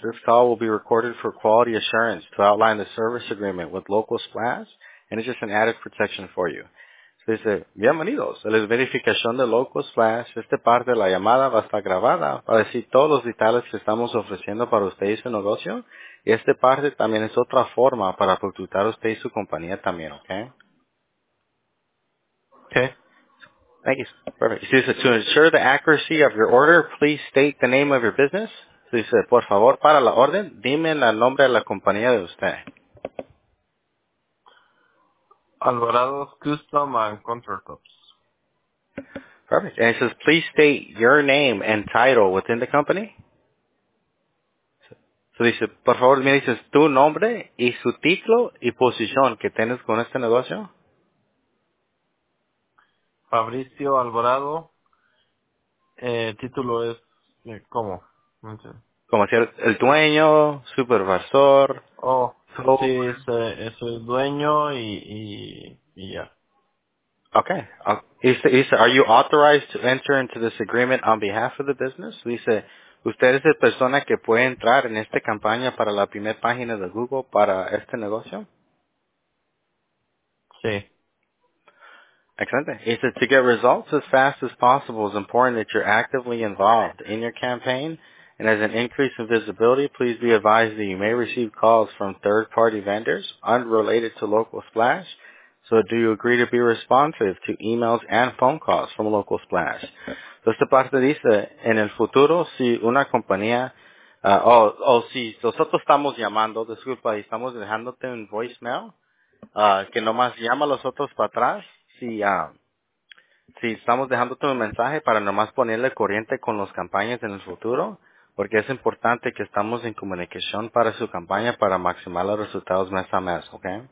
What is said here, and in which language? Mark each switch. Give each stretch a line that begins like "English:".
English: This call will be recorded for quality assurance to outline the service agreement with Local Splash, and it's just an added protection for you.
Spanish: So dice, bienvenidos a la verificación de Local Splash. Esta parte de la llamada va a estar grabada para decir todos los detalles que estamos ofreciendo para usted y su negocio. Y esta parte también es otra forma para consultar usted y su compañía también, ¿ok? Ok.
English: Thank you. Perfect. So, to ensure the accuracy of your order, please state the name of your business.
Spanish: So, dice, por favor, para la orden, dime el nombre de la compañía de usted. Alvarados Custom and Countertops.
English: Perfect. And it says, please state your name and title within the company.
Spanish: So, dice, por favor, me dices tu nombre y su título y posición que tienes con este negocio. Fabricio Alvarado, título es, ¿cómo? Como decir, el dueño, supervisor. Oh, sí, es el dueño y ya.
English: Okay.
Spanish: Dice,
English: are you authorized to enter into this agreement on behalf of the business?
Spanish: Dice, ¿usted es la persona que puede entrar en esta campaña para la primera página de Google para este negocio? Sí.
English: Excellent. He said, to get results as fast as possible, it's important that you're actively involved in your campaign. And as an increase in visibility, please be advised that you may receive calls from third-party vendors unrelated to Local Splash. So do you agree to be responsive to emails and phone calls from Local Splash?
Spanish: So esta parte dice, en el futuro, si una compañía, si nosotros estamos llamando, disculpa, y estamos dejándote un voicemail, que nomás llama a los otros para atrás, si estamos dejando tu mensaje para nomás ponerle corriente con las campañas en el futuro, porque es importante que estamos en comunicación para su campaña para maximizar los resultados mes a mes, ¿ok?